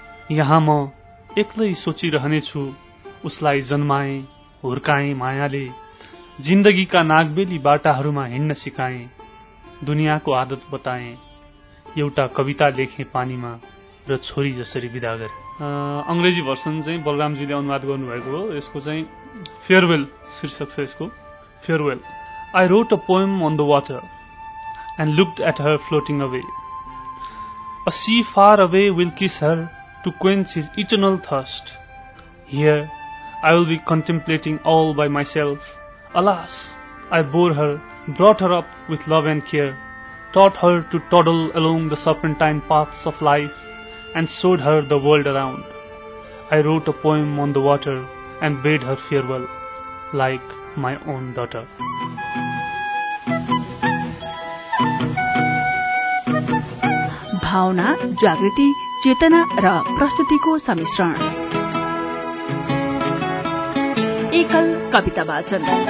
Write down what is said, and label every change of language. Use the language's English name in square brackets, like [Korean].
[Nepali] यहाँ म एक्लै सोचिरहनेछु उसलाई जन्माए हुर्काए मायाले, जिन्दगीका नागबेली बाटाहरूमा हिँड्न सिकाए, दुनियाँको आदत बताए, एउटा कविता लेखे पानीमा र छोरी जसरी विदा गरे। अङ्ग्रेजी भर्सन चाहिँ बलरामजीले अनुवाद गर्नुभएको हो। यसको चाहिँ फेयरवेल शीर्षक छ यसको। [English] Farewell. I wrote a poem on the water and looked at her floating away. A sea far away will kiss her to quench his eternal thirst. Here, I will be contemplating all by myself. Alas, I bore her, brought her up with love and care, taught her to toddle along the serpentine paths of life, and showed her the world around. I wrote a poem on the water and bade her farewell, like my own daughter. [Nepali] Bhavana, Jagriti, चेतना र प्रस्तुतिको सम्मिश्रण। एकल कविता वाचन।